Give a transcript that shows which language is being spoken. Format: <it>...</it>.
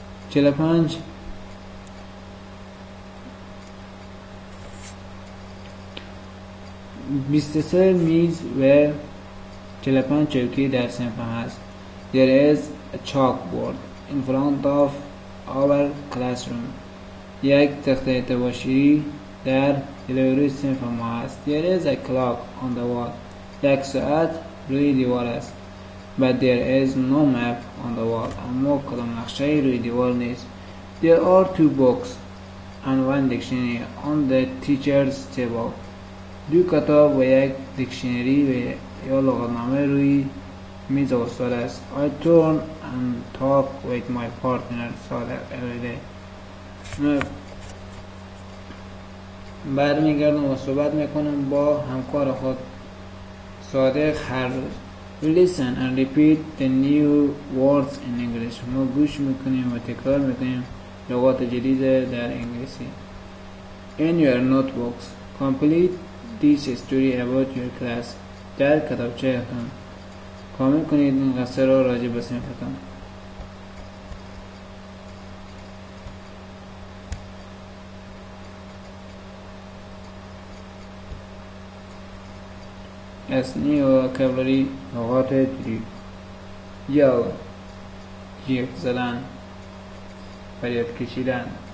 <fa>45 23 میز و 45 چوکی در صنف هست.</fa> <en>There is a chalkboard in front of our classroom.</en> <fa>یک تخته تباشیری در جلوی صنف ما هست.</fa> <en>There is a clock on the wall.</en> <fa>یک ساعت روی دیوار است.</fa> <en>But there is no map on the wall.</en> <fa>اما کدام نقشه روی دیوار نیست.</fa> <en>There are two books and one dictionary on the teacher's table.</en> <fa>دو کتاب و یک دیکشنری و یا لغتنامه روی میز استاد است.</fa> <en>I turn and talk with my partner every day.</en> <fa>برمیگردم و صحبت میکنم با همکار خود صادق هر روز.</fa> <en>Listen and repeat the new words in English.</en> <fa>ما گوش میکنیم و تکرار میکنیم لغات جدید در انگلیسی.</fa> <en>In your notebooks, complete this story about your class.</en> <fa>در کتابچه هم کامل کنید این قصه را راجع به صنفتان. اسنی و کبلری لغات جدید. یل جیف زدن، فریاد کشیدن.</fa>